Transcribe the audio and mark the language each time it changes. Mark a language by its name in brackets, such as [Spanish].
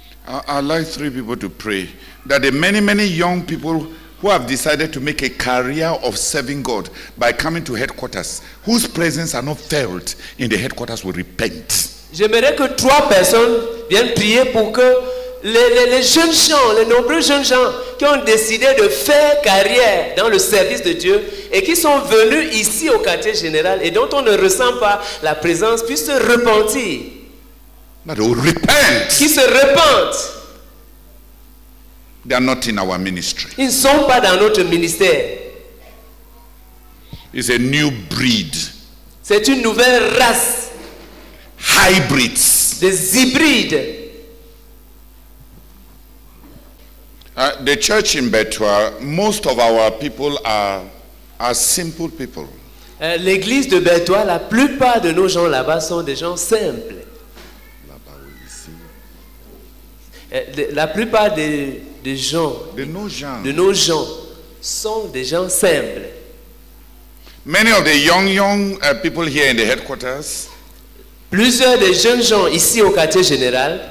[English] I'd like three people to pray that the many, many young people who have decided to make a career of serving God by coming to headquarters, whose presence are not felt in the headquarters, will repent. [French] J'aimerais que trois personnes viennent prier pour que les jeunes gens, les nombreux jeunes gens qui ont décidé de faire carrière dans le service de Dieu et qui sont venus ici au quartier général et dont on ne ressent pas la présence, puissent se repentir. Qui se repentent. [English] They are not in our ministry. [French] Ils ne sont pas dans notre ministère. [English] It's a new breed. [French] C'est une nouvelle race. [English] Hybrids. [French] Des hybrides. [English] The church in Betwa, most of our people are simple people. [French] L'église de Betwa, la plupart de nos gens là-bas sont des gens simples. Là-bas, oui, ici. La plupart des gens, de nos gens sont des gens simples. [English] Many of the young people here in the headquarters. [French] Plusieurs des jeunes gens ici au quartier général